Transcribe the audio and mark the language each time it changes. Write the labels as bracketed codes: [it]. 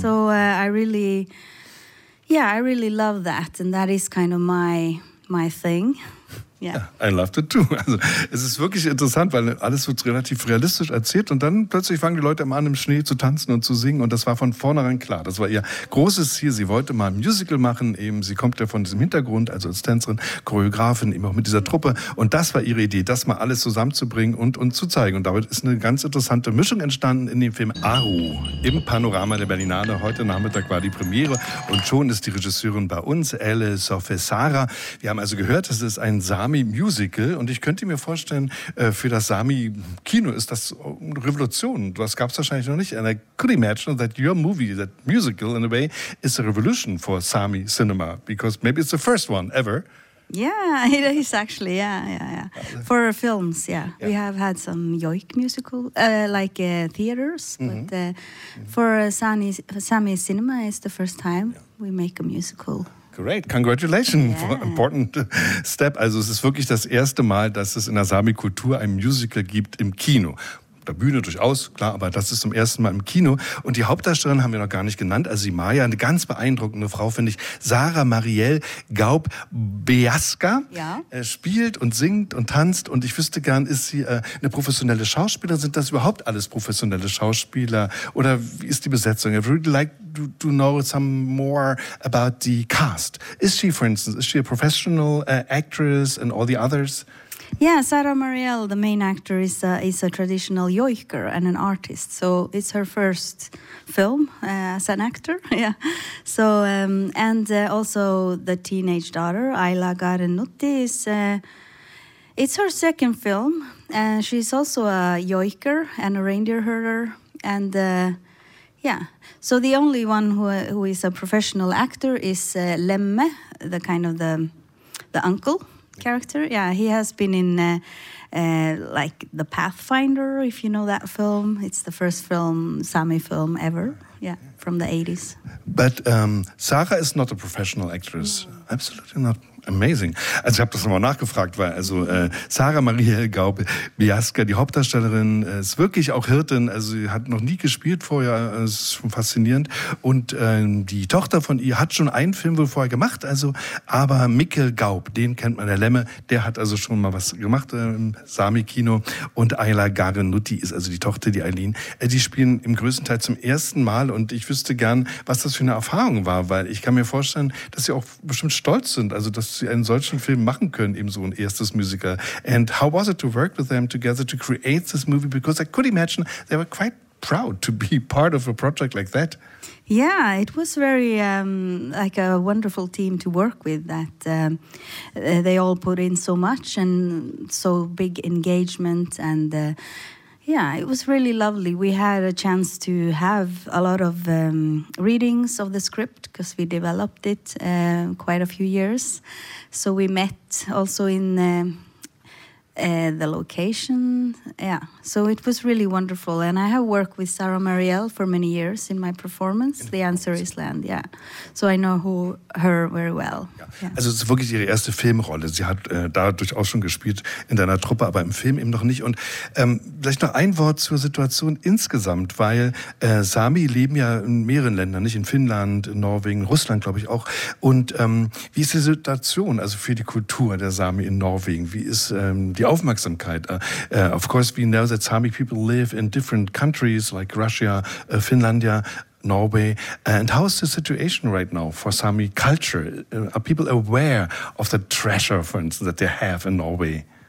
[en] So I really love that, and that is kind of my thing. Yeah. I loved it too. [de] Also, es ist wirklich interessant, weil alles wird relativ realistisch erzählt und dann plötzlich fangen die Leute immer an, im Schnee zu tanzen und zu singen, und das war von vornherein klar. Das war ihr großes Ziel. Sie wollte mal ein Musical machen. Eben, sie kommt ja von diesem Hintergrund, also als Tänzerin, Choreografin, eben auch mit dieser Truppe, und das war ihre Idee, das mal alles zusammenzubringen und zu zeigen. Und damit ist eine ganz interessante Mischung entstanden in dem Film Aru im Panorama der Berlinale. Heute Nachmittag war die Premiere und schon ist die Regisseurin bei uns, Elle Sofesara. Wir haben also gehört, es ist ein Sami Musical, und ich könnte mir vorstellen, für das Sami-Kino ist das eine Revolution. Das gab es wahrscheinlich noch nicht. [en] And I could imagine that your movie, that musical, in a way, is a revolution for Sami cinema, because maybe it's the first one ever. Yeah, it is actually, yeah. For films, yeah. We have had some Joik musical, theaters, mm-hmm. but for Sami cinema, it's the first time we make a musical. Great, congratulations, important step. [de] Also es ist wirklich das erste Mal, dass es in der Sami-Kultur ein Musical gibt im Kino. Auf der Bühne durchaus, klar, aber das ist zum ersten Mal im Kino. Und die Hauptdarstellerin haben wir noch gar nicht genannt, also die Maya, eine ganz beeindruckende Frau, finde ich, Sarah Marielle Gaub-Beaska, spielt und singt und tanzt. Und ich wüsste gern, ist sie eine professionelle Schauspielerin? Sind das überhaupt alles professionelle Schauspieler? Oder wie ist die Besetzung? [en] I'd really like to know some more about the cast. Is she, for instance, is she a professional actress and all the others? Yeah, Sara Marielle, the main actor, is a traditional Joiker and an artist. So it's her first film as an actor. Yeah. So also the teenage daughter Ayla Garenutti is it's her second film, and she's also a Joiker and a reindeer herder. And yeah, so the only one who is a professional actor is Lemme, the kind of the uncle. Character, yeah, he has been in like The Pathfinder, if you know that film. It's the first film, Sami film ever, yeah, from the 80s. But Sarah is not a professional actress, no. Absolutely not. Amazing. [de] Also ich habe das nochmal nachgefragt, weil also Sara Marielle Gaub-Biasca, die Hauptdarstellerin, ist wirklich auch Hirtin. Also sie hat noch nie gespielt vorher. Das ist schon faszinierend. Und die Tochter von ihr hat schon einen Film wohl vorher gemacht. Also aber Mikkel Gaub, den kennt man, der Lemme, der hat also schon mal was gemacht im Sami-Kino. Und Ayla Garenutti ist also die Tochter, die Aileen. Die spielen im größten Teil zum ersten Mal. Und ich wüsste gern, was das für eine Erfahrung war, weil ich kann mir vorstellen, dass sie auch bestimmt stolz sind. Also dass sie einen solchen Film machen können, eben so ein erstes Musical. And how was it to work with them together to create this movie? Because I could imagine they were quite proud to be part of a project like that. Yeah, it was very like a wonderful team to work with. That they all put in so much and so big engagement. And yeah, it was really lovely. We had a chance to have a lot of readings of the script because we developed it quite a few years. So we met also in the location. Yeah, so it was really wonderful. And I have worked with Sara Marielle for many years in my performance, in The Answer Is Land, yeah. So I know her very well. Ja. Yeah. Also es ist wirklich ihre erste Filmrolle. Sie hat da durchaus schon gespielt in deiner Truppe, aber im Film eben noch nicht. Und vielleicht noch ein Wort zur Situation insgesamt, weil Sami leben ja in mehreren Ländern, nicht in Finnland, in Norwegen, Russland, glaube ich auch. Und wie ist die Situation also für die Kultur der Sami in Norwegen? Wie ist die Aufmerksamkeit? [en] Of course, we know that Sami people live in different countries like Russia, Finlandia, Norway. And how is the situation right now for Sami culture? Are people aware of the treasure, for instance, that they have in Norway?